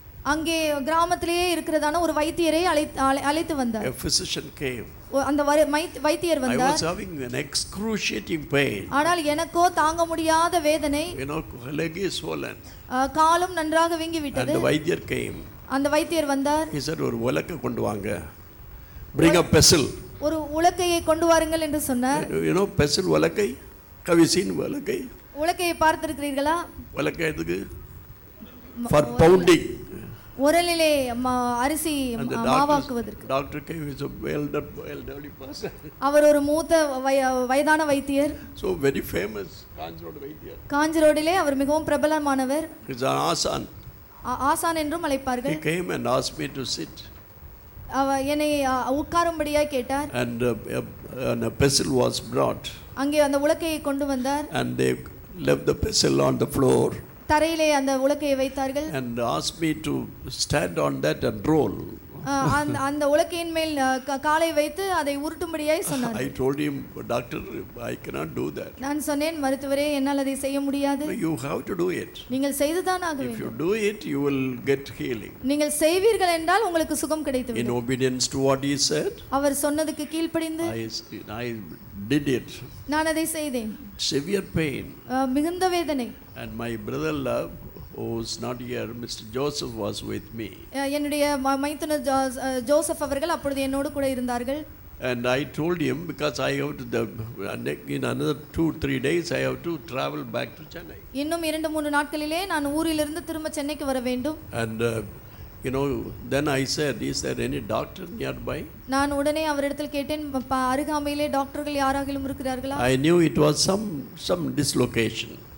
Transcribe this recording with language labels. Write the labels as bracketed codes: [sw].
[ta] அங்கே கிராமத்திலேயே இருக்கிறதான ஒரு வைத்தியரை அழைத்து வந்தார். [en] A physician came. [ta] அந்த வைத்தியர் வந்தார். [en] I was having an excruciating pain. [ta] ஆனால் எனக்கோ தாங்க முடியாத வேதனை. [en] You know, leg is swollen. [ta] காலும் நன்றாக வீங்கி விட்டது. அந்த வைத்தியர் came. அந்த வைத்தியர் வந்தார். [en] He said, [ta] ஒரு உலக்கை கொண்டு வாங்க. [en] Bring a pestle. [ta] ஒரு உலக்கையை கொண்டு வாருங்கள் என்று சொன்னார். [en] You know, pestle உலக்கை. Have you seen உலக்கை? [ta] உலக்கையை பார்த்திருக்கிறீர்களா? உலக்கை எதுக்கு? [en] For pounding. [ta] உரலிலே அரிசி மாவாக்குவதற்கு. [en] Doctor கேம் is a well-developed person. [ta] அவர் ஒரு மூத்த வயதான வைத்தியர். [en] So very famous Kanjirode வைத்தியர். [ta] காஞ்சிரோடிலே அவர் மிகவும் பிரபலமானவர். [en] Is an asan. [ta] ஆசான் என்றும் அழைப்பார்கள். [en] He came and asked me to sit. [ta] அவர் என்னை உட்காரும்படியாய் கேட்டார். [en] And a pestle was brought. [ta] அங்கே அந்த உலக்கையை கொண்டு வந்தார். [en] And they left the pestle on the floor. [ta] தரையிலே அந்த உலக்கையை வைத்தார்கள். [en] And asked me to stand on that and roll. [ta] அந்த உலக்கையின் மேல் காலை வைத்து அதை உருட்டும்படியாய் சொன்னார். [en] I told him, doctor, I cannot do that. [ta] நான் சொன்னேன், மருத்துவரே, என்னால் அதை செய்ய முடியாது. [en] You have to do it. [ta] நீங்கள் செய்துதான் ஆக வேண்டும். [en] If you do it, you will get healing. [ta] நீங்கள் செய்வீர்கள் என்றால் உங்களுக்கு சுகம் கிடைத்து விடும். [en] In obedience to what he said, [ta] அவர் சொன்னதுக்கு கீழ்ப்படிந்து [en] I did it. [ta] நான் அதை செய்தேன். [en] Severe pain. [ta] மிகுந்த வேதனை. [en] And my brother love, who's not here, Mr. Joseph was with me. [ta] என்னுடைய மைத்துனர் ஜோசப் அவர்கள் அப்பொழுது என்னோடு கூட இருந்தார்கள். [en] And I told him, because I have to, in another 2-3 days, I have to travel back to Chennai. [ta] இன்னும் 2-3 நாட்களிலே நான் ஊரிலிருந்து திரும்ப சென்னைக்கு வர வேண்டும். [en] And you know, then I said, is there any doctor nearby? [ta] நான் உடனே அவரிடத்தில் கேட்டேன், அருகாமையிலே டாக்டர்கள் யாராகிலும் இருக்கிறார்களா? [en] I knew it was some dislocation.